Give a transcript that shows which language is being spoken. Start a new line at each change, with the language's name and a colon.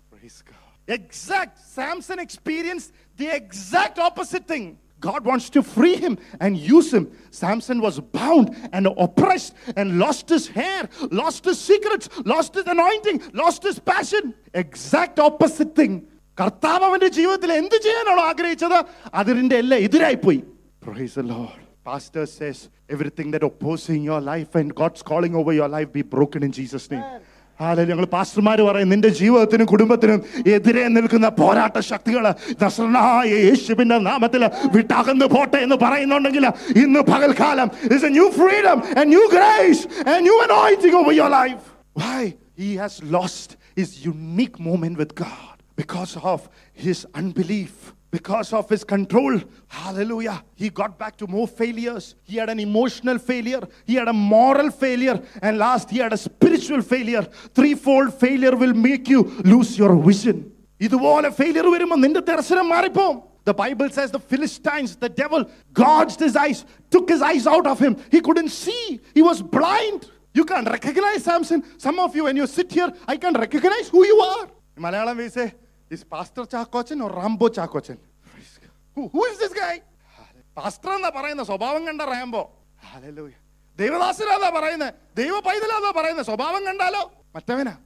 English: Praise God. Exact. Samson experienced the exact opposite thing. God wants to free him and use him. Samson was bound and oppressed and lost his hair, lost his secrets, lost his anointing, lost his passion. Exact opposite thing.
Malayalam: കർത്താവ് അവന്റെ ജീവിതത്തിൽ എന്ത് ചെയ്യാനാണോ ആഗ്രഹിച്ചത് അതിന്റെ എല്ലാം എതിരായി പോയി.
English: Praise the Lord. Pastor says everything that opposing your life and God's calling over your life be broken in Jesus' name.
Malayalam: Hallelujah. ഞങ്ങൾ പാസ്റ്റർമാർ പറയും, നിന്റെ ജീവിതത്തിനും കുടുംബത്തിനും എതിരെ നിൽക്കുന്ന പോരാട്ട ശക്തികൾ നസ്രനായ യേശുവിന്റെ നാമത്തിൽ വിട്ടകന്ന് പോട്ടെ എന്ന് പറയുന്നുണ്ടെങ്കിൽ ഇന്ന് പകൽക്കാലം
English: is a new freedom and new grace and new anointing over your life. Why? He has lost his unique moment with God. Because of his unbelief, because of his control, hallelujah, he got back to more failures. He had an emotional failure, he had a moral failure, and last he had a spiritual failure. Threefold failure will make you lose your vision.
Malayalam: ഇതുപോലെ failure വരുമ്പോൾ നിന്റെ ദർശനം മാറിപ്പോകും.
English: The Bible says the Philistines, the devil, gouged his eyes, took his eyes out of him. He couldn't see, he was blind. You can't recognize Samson. Some of you, when you sit here, I can't recognize who you are. Malayalam which is pastor Chackochan or Rambo Chackochan? Who is this guy?
Malayalam: Pastor എന്നാ പറയുന്ന സ്വഭാവം കണ്ട Rambo. Hallelujah. ദൈവദാസനാന്നാ പറയുന്നത്, ദൈവ പൈതലാന്നാ പറയുന്നത്, സ്വഭാവം കണ്ടാലോ മറ്റവനാ.